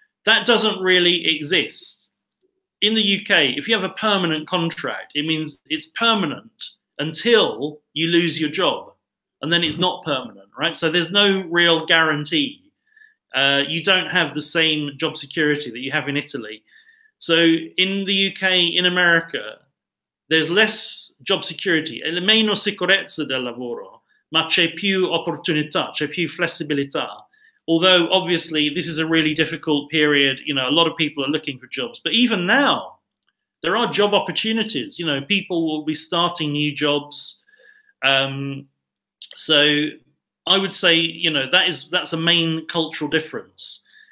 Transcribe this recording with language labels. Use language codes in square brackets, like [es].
[en] That doesn't really exist. In the UK, if you have a permanent contract, it means it's permanent until you lose your job. And then it's not permanent, right? So there's no real guarantee. You don't have the same job security that you have in Italy. So in the UK, in America, there's less job security. [it] E meno sicurezza del lavoro, ma c'è più opportunità, c'è più flessibilità. [en] Although, obviously, this is a really difficult period. You know, a lot of people are looking for jobs. But even now, there are job opportunities. You know, people will be starting new jobs. So I would say, you know, that's a main cultural difference.